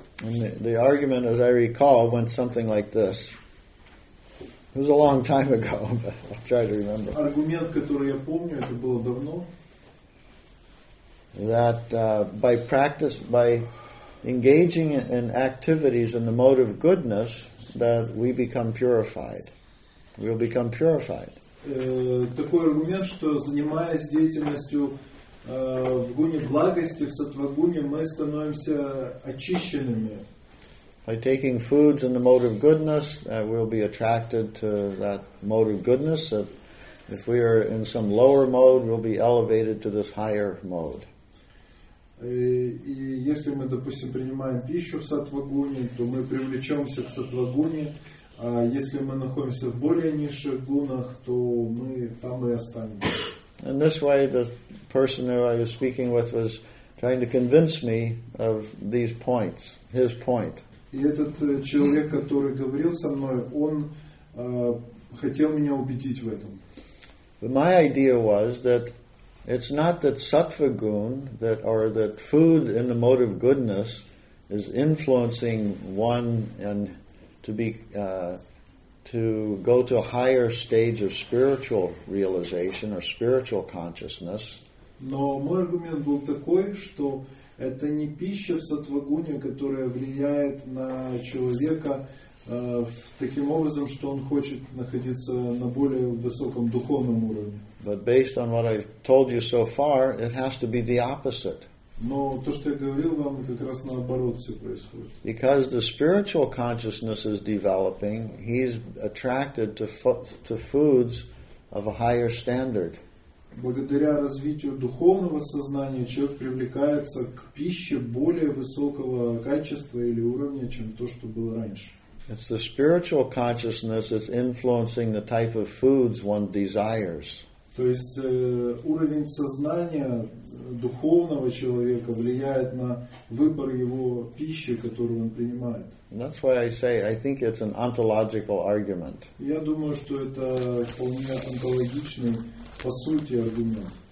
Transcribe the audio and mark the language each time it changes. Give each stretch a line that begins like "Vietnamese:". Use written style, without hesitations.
English: And the argument, as I recall, went something like this. It was a long time ago, but I'll try to remember.
Russian: Аргумент, который я помню, это было давно.
English: That by practice, by engaging in activities in the mode of goodness, that we become purified. We'll become purified.
Russian: Такой аргумент, что занимаясь деятельностью в гуне благости, в сатва-гуне, мы становимся очищенными.
English: By taking foods in the mode of goodness, we'll be attracted to that mode of goodness. If we are in some lower mode, we'll be elevated to this higher mode.
Russian: И если мы, допустим, принимаем пищу в сатвагуне, то мы привлечемся к сатвагуне, а если мы находимся в более низших гунах, то мы там и останемся.
English: In this way, the person who I was speaking with was trying to convince me of these points, his point.
Russian: И этот человек, который говорил со мной, он хотел меня убедить в этом.
English: But my idea was that it's not that sattva-gun, that or that food in the mode of goodness, is influencing one and to be to go to a higher stage of spiritual realization or spiritual consciousness.
Russian: Но мой аргумент был такой, что это не пища в сатвагуне, которая влияет на человека таким образом, что он хочет находиться на более высоком духовном уровне.
English: But based on what I've told you so far, it has to be the opposite.
Russian: Но то, что я говорил вам, как раз наоборот все происходит.
English: Because the spiritual consciousness is developing, he's attracted to foods of a higher standard.
Russian: Благодаря развитию духовного сознания человек привлекается к пище более высокого качества или уровня, чем то, что было раньше.
English: It's the spiritual consciousness that's influencing the type of foods one desires.
Russian: То есть уровень сознания духовного человека влияет на выбор его пищи, которую он принимает.
English: And that's why I say I think it's an ontological argument.
Russian: Я думаю, что это вполне онтологичный по сути аргумент.